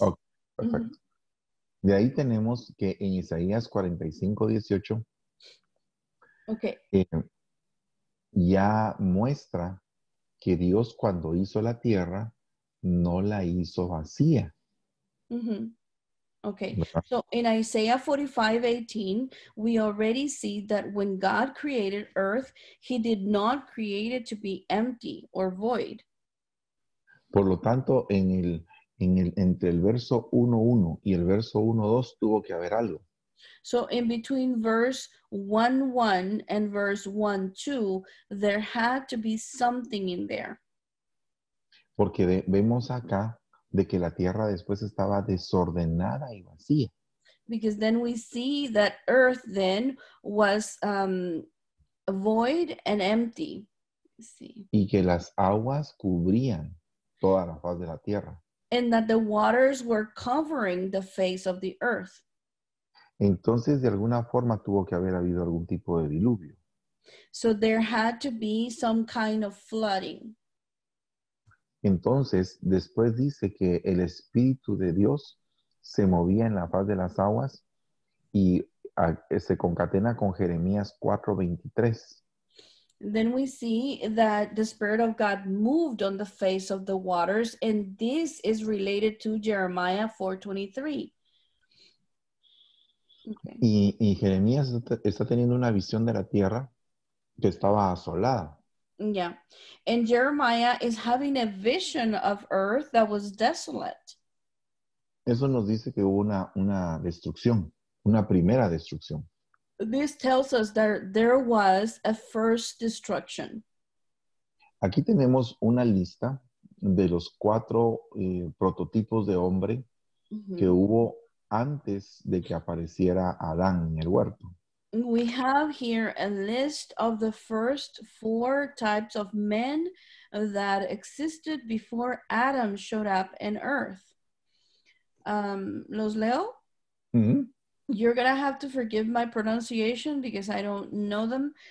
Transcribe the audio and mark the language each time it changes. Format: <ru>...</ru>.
<es>Ok, perfecto. Mm-hmm. De ahí tenemos que en Isaías 45:18,</es> <en>okay.</en> <es>Ya muestra que Dios cuando hizo la tierra, no la hizo vacía. Mm-hmm. Ok, ¿verdad?</es> <en>So in Isaiah 45:18, we already see that when God created earth, he did not create it to be empty or void.</en> <es>Por lo tanto, entre el verso 1:1 y el verso 1:2 tuvo que haber algo.</es> <en>So in between verse 1:1 and verse 1:2, there had to be something in there.</en> <es>Porque vemos acá de que la tierra después estaba desordenada y vacía.</es> <en>Because then we see that earth then was void and empty.</en> <es>Sí. Y que las aguas cubrían toda la faz de la tierra.</es> <en>And that the waters were covering the face of the earth.</en> <es>Entonces, de alguna forma, tuvo que haber habido algún tipo de diluvio.</es> <en>So there had to be some kind of flooding.</en> <es>Entonces, después dice que el Espíritu de Dios se movía en la faz de las aguas y se concatena con Jeremías 4:23.</es> <en>Then we see that the Spirit of God moved on the face of the waters, and this is related to Jeremiah 4:23. Okay.</en> <es>Y Jeremías está teniendo una visión de la tierra que estaba asolada.</es> <en>Yeah. And Jeremiah is having a vision of earth that was desolate.</en> <es>Eso nos dice que hubo una destrucción, una primera destrucción.</es> <en>This tells us that there was a first destruction.</en> <es>Aquí tenemos una lista de los cuatro prototipos de hombre que hubo antes de que apareciera Adán en el huerto.</es> <en>We have here a list of the first four types of men that existed before Adam showed up in earth.</en> <es>Los leo. Mm-hmm.</es> <en>You're going to have to forgive my pronunciation because I don't know them.</en>